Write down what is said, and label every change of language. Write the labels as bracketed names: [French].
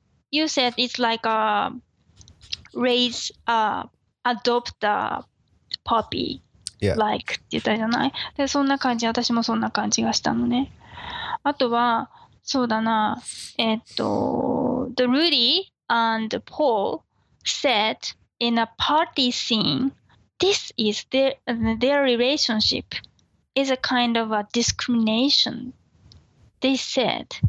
[English] You said it's like a raise, adopt a puppy. Yeah. [Japanese] Like って言ったじゃない。で、そんな感じ、私もそんな感じがしたのね。あとは、そうだな、 [English] The Rudy and Paul said in a party scene, this is their relationship is a kind of a discrimination, they said.